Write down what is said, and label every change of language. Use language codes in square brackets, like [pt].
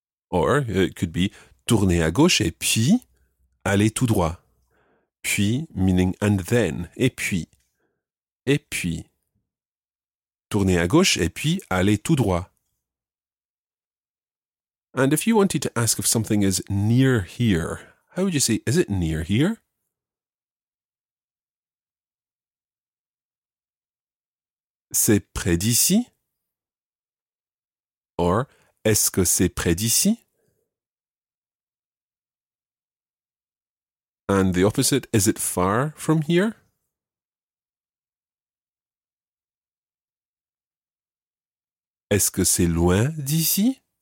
[fr] Or, it could be, tournez à gauche et puis, allez tout droit. [en] Puis, meaning and then, et puis. Et puis. [fr] Tournez à gauche et puis, allez tout droit. [en] And if you wanted to ask if something is near here, how would you say, is it near here? [fr] C'est près d'ici? Or, est-ce que c'est près d'ici? [en] And the opposite, is it far from here? [fr] Est-ce que c'est loin d'ici?